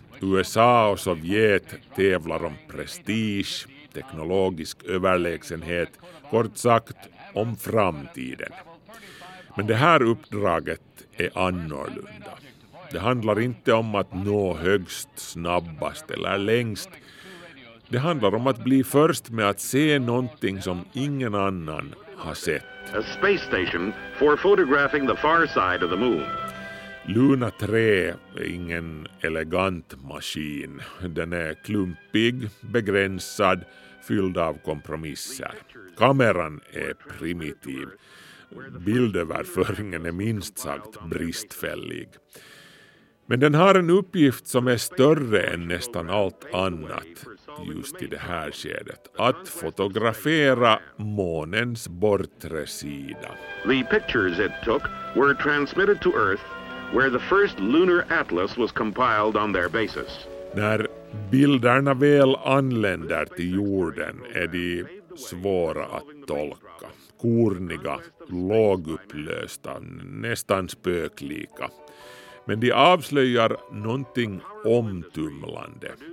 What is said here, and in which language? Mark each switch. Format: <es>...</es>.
<sv>USA och Sovjet tävlar om prestige, teknologisk överlägsenhet, kort sagt om framtiden. Men det här uppdraget är annorlunda. Det handlar inte om att nå högst, snabbast eller längst. Det handlar om att bli först med att se någonting som ingen annan har sett.</sv> <en>A space station for photographing the far side of the moon.</en> <sv>Luna 3 är ingen elegant maskin. Den är klumpig, begränsad, fylld av kompromisser. Kameran är primitiv. Bildöverföringen är minst sagt bristfällig. Men den har en uppgift som är större än nästan allt annat just i det här skedet. Att fotografera månens bortre sida.</sv> <en>The pictures it took were transmitted to Earth where the first lunar atlas was compiled on their basis.</en> <sv>När bilderna väl anländer till jorden är de svåra att tolka. Korniga, lågupplösta, nästan spöklika. Men de avslöjar någonting omtumlande.</sv>